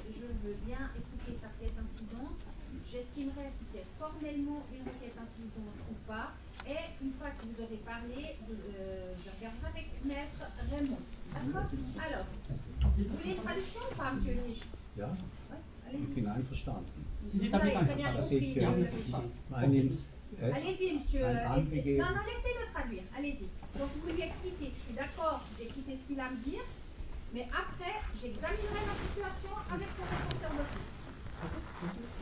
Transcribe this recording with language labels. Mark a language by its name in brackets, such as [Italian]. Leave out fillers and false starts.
[French] Je veux bien écouter sa requête incidente. J'estimerai si c'est formellement une requête incidente ou pas. Et une fois que vous aurez parlé, je regarderai avec Maître Raymond. D'accord ? Alors, vous voulez une traduction ou pas, M. Ulrich ? [German] Ja. Ich bin einverstanden. Sie sind damit einverstanden. Ich habe meinen Anliegen. [French] Non, laissez-le traduire. Allez-y. Donc, vous lui expliquez. Je suis d'accord, j'ai écouté ce qu'il a à me dire. Mais après, j'examinerai la situation avec son responsable de plus.